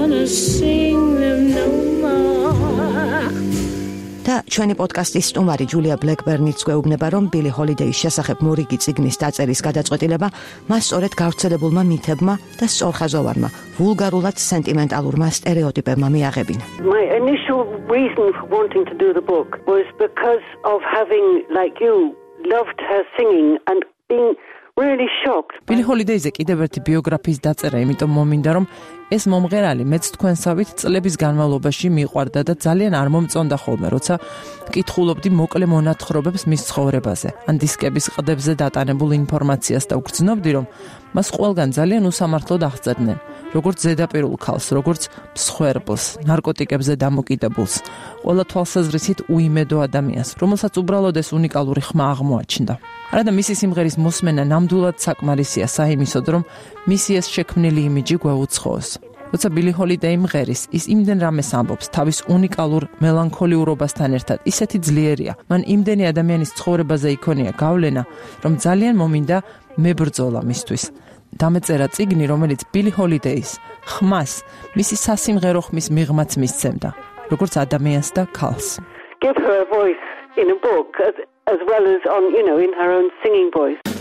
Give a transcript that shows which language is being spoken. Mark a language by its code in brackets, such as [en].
[en] Sing them no more. [ka] Და ჩვენი პოდკასტის სტუმარი ჯულია ბლეკბერნიც გვეუბნება, რომ ბილი ჰოლიდეის შესახებ მორიგი წიგნის დაწერის გადაწყვეტილება მას სწორედ გავრცელებულმა მითებმა და სწორხაზოვანმა, ვულგარულად სენტიმენტალურმა სტერეოტიპებმა მიაღებინა. [en] My initial reason for wanting to do the book was because of having, like you, loved her singing and being really shocked. [ka] ბილი ჰოლიდეიზე კიდევ ერთი ბიოგრაფიის დაწერა იმიტომ მომინდა, რომ ეს მომღერალი მეც თქვენსავით წლების განმავლობაში მიყვარდა და ძალიან არ მომწონდა ხოლმე, როცა კითხულობდი მოკლე მონათხრობებს მის ცხოვრებაზე ან დისკების ყდებზე დატანებულ ინფორმაციას და ვგრძნობდი, რომ მას ყველგან ძალიან უსამართლოდ აღწერდნენ, როგორც ზედაპირულ ქალს, როგორც მსხვერპლს, ნარკოტიკებზე დამოკიდებულს, ყველა თვალსაზრისით უიმედო ადამიანს, რომელსაც უბრალოდ ეს უნიკალური ხმა აღმოაჩნდა. არადა მისი სიმღერის მოსმენა ნამდვილად საკმარისია საიმისოდ, რომ მისი ეს შექმნილი იმიჯი გვეუცხოოს. როცა ბილი ჰოლიდეი მღერის, ის იმდენ რამეს ამბობს თავის უნიკალურ მელანქოლიურობასთან ერთად, ისეთი ძლიერია, მან იმდენი ადამიანის ცხოვრებაზე იქონია გავლენა, რომ ძალიან მომინდა მებრძოლა მისთვის. დამეწერა წიგნი, რომელიც ბილი ჰოლიდეის ხმას მისი სასიმღერო ხმის მიღმაც მისცემდა, როგორც ადამიანს და ქალს. [en] Give her a voice in a book as well as on, you know, in her own singing voice.